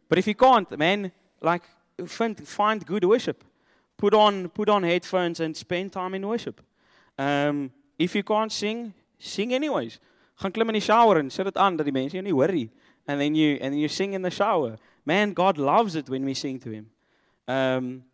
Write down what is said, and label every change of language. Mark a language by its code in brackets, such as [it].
[en] But if you can't, man, like, find good worship. Put on headphones and spend time in worship. If you can't sing anyways. [af] Gaan klim in die shower en sit het aan, dat die mense jou nie hoor nie. [en] And then you sing in the shower. Man, God loves it when we sing to him.